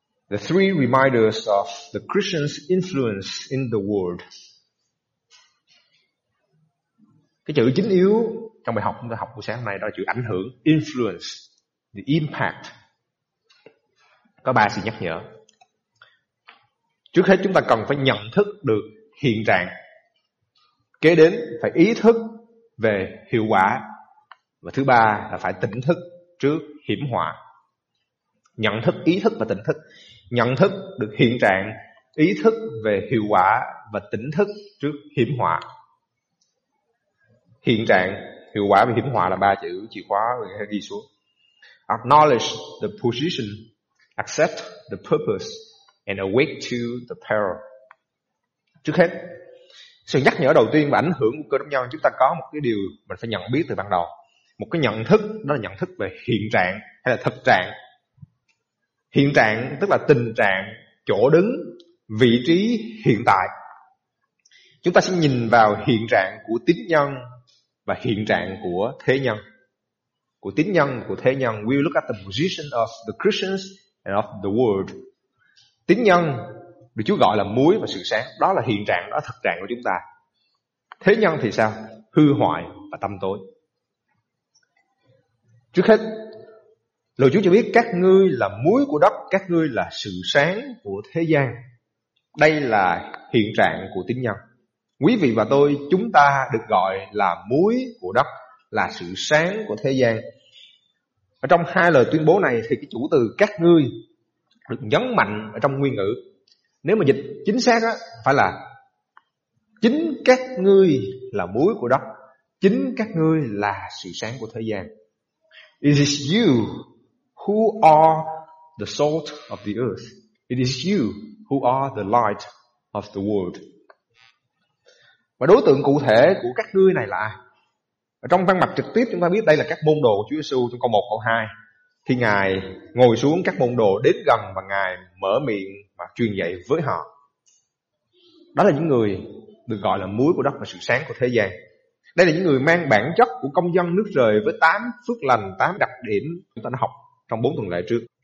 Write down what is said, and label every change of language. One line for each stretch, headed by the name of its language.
English: The three reminders of the Christian's influence in the world.
Vietnamese: Cái chữ chính yếu trong bài học chúng ta học buổi sáng hôm nay đó là chữ ảnh hưởng,
English: influence, the impact.
Vietnamese: Có ba sự nhắc nhở. Trước hết chúng ta cần phải nhận thức được hiện trạng, kế đến phải ý thức về hiệu quả, và thứ ba là phải tỉnh thức trước hiểm họa. Nhận thức, ý thức và tỉnh thức. Nhận thức được hiện trạng, ý thức về hiệu quả và tỉnh thức trước hiểm họa. Hiện trạng, hiệu quả và hiểm họa là ba chữ chìa khóa mình sẽ ghi xuống.
English: Acknowledge the position, accept the purpose, and awake to the peril.
Vietnamese: Trước hết, sự nhắc nhở đầu tiên và ảnh hưởng của Cơ Đốc nhân, chúng ta có một cái điều mình phải nhận biết từ ban đầu. Một cái nhận thức, đó là nhận thức về hiện trạng hay là thực trạng. Hiện trạng tức là tình trạng, chỗ đứng, vị trí hiện tại. Chúng ta sẽ nhìn vào hiện trạng của tín nhân và hiện trạng của thế nhân. Của tín nhân, của thế nhân.
English: We look at the position of the Christians and of the world.
Vietnamese: Tín nhân được Chúa gọi là muối và sự sáng. Đó là hiện trạng, đó là thực trạng của chúng ta. Thế nhân thì sao? Hư hoại và tâm tối. Trước hết, Lời Chúa cho biết các ngươi là muối của đất, các ngươi là sự sáng của thế gian. Đây là hiện trạng của tín nhân. Quý vị và tôi, chúng ta được gọi là muối của đất, là sự sáng của thế gian. Ở trong hai lời tuyên bố này thì cái chủ từ các ngươi được nhấn mạnh ở trong nguyên ngữ. Nếu mà dịch chính xác á, phải là chính các ngươi là muối của đất, chính các ngươi là sự sáng của thế gian.
English: It is you who are the salt of the earth. It is you who are the light of the world.
Vietnamese: Và đối tượng cụ thể của các ngươi này là ai? Ở trong văn mạch trực tiếp chúng ta biết đây là các môn đồ của Chúa Giêsu trong câu 1, câu 2. Khi Ngài ngồi xuống, các môn đồ đến gần và Ngài mở miệng và truyền dạy với họ. Đó là những người được gọi là muối của đất và sự sáng của thế gian. Đây là những người mang bản chất của công dân nước trời với 8 phước lành, 8 đặc điểm chúng ta đã học trong 4 tuần lễ trước.